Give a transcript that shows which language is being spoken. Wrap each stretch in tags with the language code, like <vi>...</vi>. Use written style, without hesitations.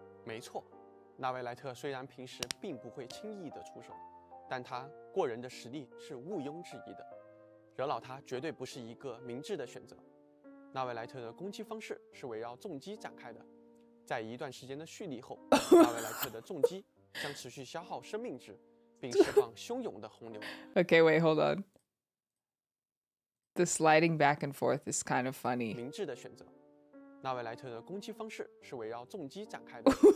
<zh>没错，纳维莱特虽然平时并不会轻易的出手，但他过人的实力是毋庸置疑的，惹恼他绝对不是一个明智的选择。纳维莱特的攻击方式是围绕重击展开的。在一段时间的蓄力后，纳维莱特的重击将持续消耗生命值，并释放汹涌的洪流。</zh> <en>Okay, wait, hold on. The sliding back and forth is kind of funny.</en> <zh>明智的选择，纳维莱特的攻击方式是围绕重击展开的。</zh>